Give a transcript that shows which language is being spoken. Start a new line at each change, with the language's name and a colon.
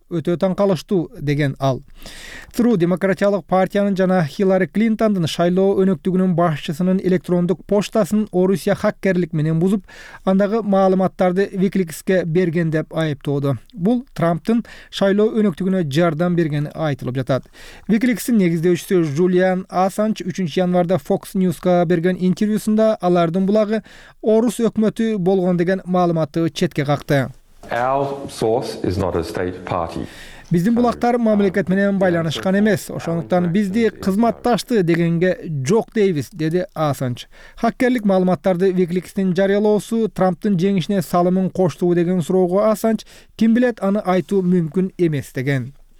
Kyrgyz: Өтө таңкалыштуу деген ал. ЦРУ Демократиялык партиянын жана Хиллари Клинтондун шайлоо өнөктүгүнүн башчысынын электрондук почтасын Орусия хаккерлик менен бузуп, андагы маалыматтарды Викиликске берген деп айыптоодо. Бул Трамптын шайлоо өнөктүгүнө жардам бергени айтылып жатат. Викиликстин негиздөөчүсү Жулиан Асанч 3-январда Fox News'ка берген интервьюсунда алардын булагы Орус өкмөтү болгон деген маалыматты четке какты.
English: Our source is not a state party.
Kyrgyz: Биздин булактар мамлекет менен байланышкан эмес, ошондуктан бизди кызматташты дегенге жок дейбиз, деди Асанч. Хаккерлик маалыматтарды Викиликстин жарыялоосу Трамптын жеңишине салымын коштуу деген суроого Асанч ким билет аны айтуу мүмкүн эмес деген.